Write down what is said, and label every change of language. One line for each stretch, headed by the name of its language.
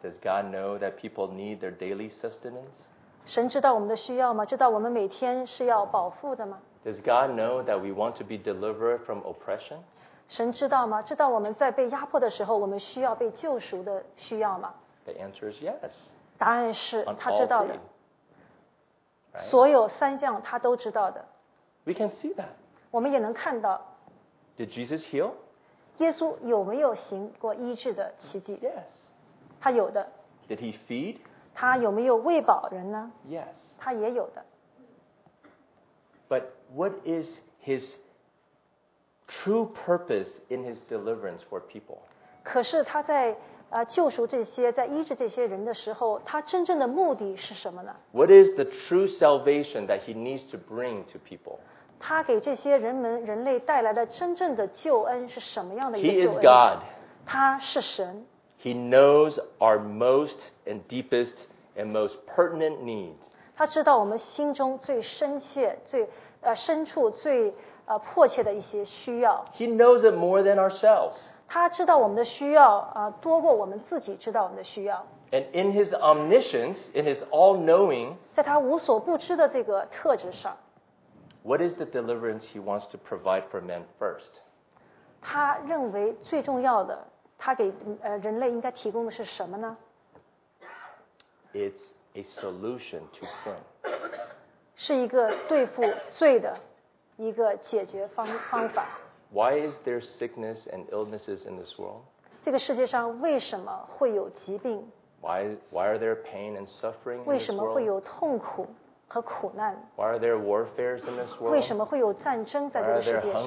English: Does God know that people need their daily sustenance?
Chinese: 神知道我们的需要吗？知道我们每天是要饱腹的吗？
English: Does God know that we want to be delivered from oppression?
Chinese: 神知道吗？知道我们在被压迫的时候，我们需要被救赎的需要吗？
English: The answer is yes.
Chinese: 答案是他知道的。
English: On all three.
Chinese: 所有三项他都知道的。
English: We can see that.
Chinese: 我们也能看到。
English: Did Jesus heal?
Chinese: 耶稣有没有行过医治的奇迹？
English: Yes.
Chinese: 他有的。
English: Did he feed?
Chinese: 他有没有喂饱人呢？
English: Yes.
Chinese: 他也有的。
English: But what is his true purpose in his deliverance for people.
Chinese: 可是他在救赎这些在医治这些人的时候他真正的目的是什么呢
English: What is the true salvation that he needs to bring to people?
Chinese: 他给这些人们人类带来的真正的救恩是什么样的一个救恩
English: He is God.
Chinese: 他是神
English: He knows our most and deepest and most pertinent needs.
Chinese: 他知道我们心中最深切最深处最迫切的一些需要
English: He knows it more than ourselves.
Chinese: 他知道我们的需要多过我们自己知道我们的需要
English: And in his omniscience, in his all-knowing,
Chinese: 在他无所不知的这个特质上
English: What is the deliverance he wants to provide for men first?
Chinese: 他认为最重要的他给人类应该提供的是什么呢
English: It's a solution to sin.
Chinese: 是一个对付罪的一个解决 方法
English: Why is there sickness and illnesses in this world?
Chinese: 这个世界上为什么会有疾病
English: why are there pain and suffering in this world?
Chinese: 为什么会有痛苦和苦难
English: Why are there warfares in this world?
Chinese: 为什么会有战争在这个世界上